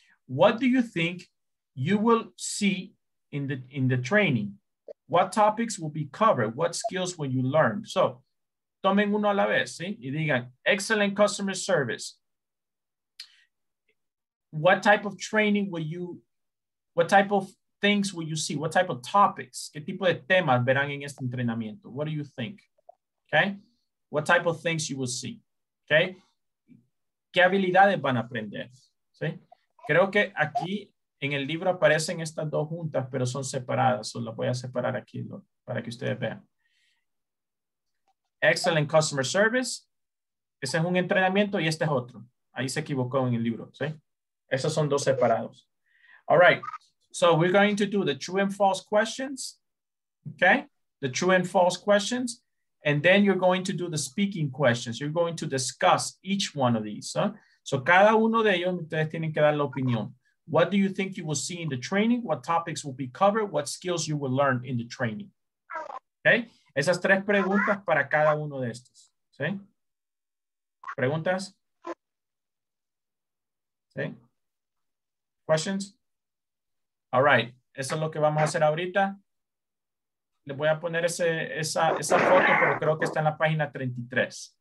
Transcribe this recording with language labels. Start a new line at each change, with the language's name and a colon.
English: What do you think you will see in the training? What topics will be covered? What skills will you learn? So,
Spanish: tomen uno a la vez, ¿sí? Y digan, excellent customer service.
English: What type of training will you, what type of things will you see? What type of topics?
Spanish: ¿Qué tipo de temas verán en este entrenamiento?
English: What do you think? Okay? What type of things you will see? Okay?
Spanish: ¿Qué habilidades van a aprender? ¿Sí? Creo que aquí... En el libro aparecen estas dos juntas, pero son separadas. So las voy a separar aquí para que ustedes vean. Excellent customer service. Ese es un entrenamiento y este es otro. Ahí se equivocó en el libro, ¿sí? Esos son dos separados.
English: All right. So we're going to do the true and false questions. Okay? The true and false questions. And then you're going to do the speaking questions. You're going to discuss each one of these. Huh?
Spanish: So cada uno de ellos, ustedes tienen que dar la opinión.
English: What do you think you will see in the training? What topics will be covered? What skills you will learn in the training? Okay?
Spanish: Esas tres preguntas para cada uno de estos. ¿Sí? ¿Preguntas?
English: ¿Sí? ¿Questions? All right.
Spanish: Eso es lo que vamos a hacer ahorita. Le voy a poner esa foto, pero creo que está en la página 33.